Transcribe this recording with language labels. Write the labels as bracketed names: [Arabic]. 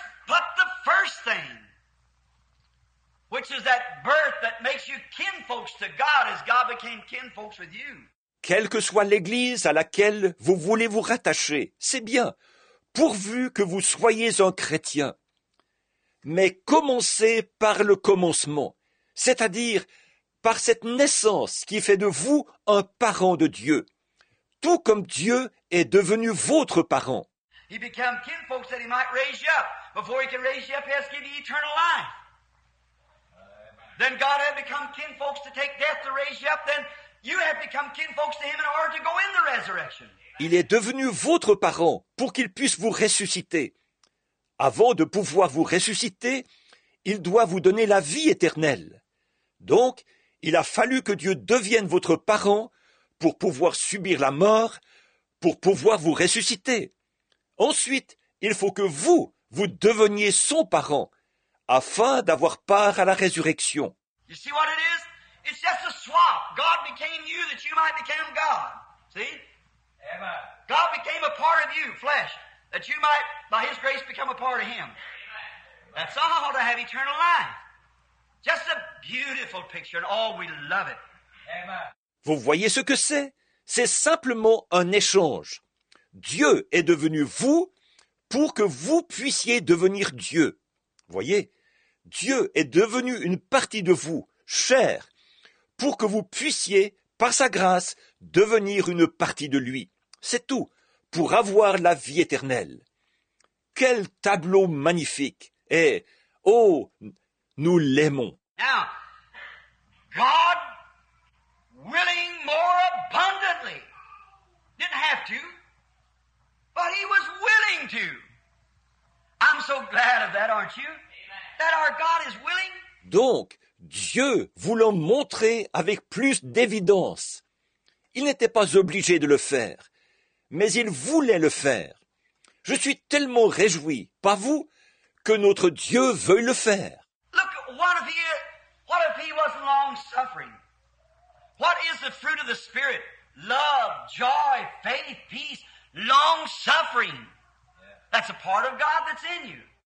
[English] But the first thing, which is that birth that makes you kinfolks to God as God became kinfolks with you. [French] Quelle que soit l'église à laquelle vous voulez vous rattacher, c'est bien, pourvu que vous soyez un chrétien. Mais commencez par le commencement, c'est-à-dire par cette naissance qui fait de vous un parent de Dieu, tout comme Dieu est devenu votre parent. [English] He became kinfolks that he might raise you up. Before he can raise you up, he has to give you eternal life. Then God had become kinfolks to take death to raise you up. Then you have become kinfolks to him in order to go in the resurrection. [French] Il est devenu votre parent pour qu'il puisse vous ressusciter. Avant de pouvoir vous ressusciter, il doit vous donner la vie éternelle. Donc, il a fallu que Dieu devienne votre parent pour pouvoir subir la mort, pour pouvoir vous ressusciter. Ensuite, il faut que vous, vous deveniez son parent, afin d'avoir part à la résurrection. [English] You see what it is? It's just a swap. God became you that you might become God. See? Amen. God became a part of you, flesh, that you might, by his grace, become a part of him. Amen. That's all to have eternal life. Just a beautiful picture, and oh, we love it. Amen. [French] Vous voyez ce que c'est? C'est simplement un échange. Dieu est devenu vous pour que vous puissiez devenir Dieu. Voyez, Dieu est devenu une partie de vous, chair, pour que vous puissiez, par sa grâce, devenir une partie de lui. C'est tout, pour avoir la vie éternelle. Quel tableau magnifique! Et, oh, nous l'aimons! [English] Now, God willing more abundantly. Didn't have to. But he was willing to. I'm so glad of that, aren't you? Amen. That our God is willing. [French] Donc, Dieu voulant montrer avec plus d'évidence, il n'était pas obligé de le faire, mais il voulait le faire. Je suis tellement réjoui, pas vous, que notre Dieu veuille le faire. [English] Look, what if he wasn't long suffering? What is the fruit of the Spirit? Love, joy, faith, peace. Long suffering. That's a part of God that's in you.